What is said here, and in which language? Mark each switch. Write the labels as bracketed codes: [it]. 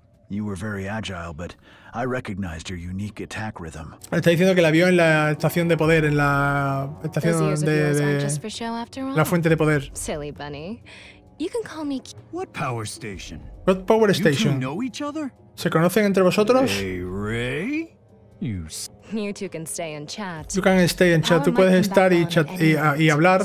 [en] You were very agile, but I recognized your unique attack rhythm. [es] Está diciendo que la vio en la estación de poder, en la estación de la fuente de poder. [en] Silly bunny. You can call me What power station? What power station? You two know each other? [es] ¿Se conocen entre vosotros? [en] Hey, Ray. You two can stay and chat. You can stay and chat. [es] Tú puedes estar y chat y hablar.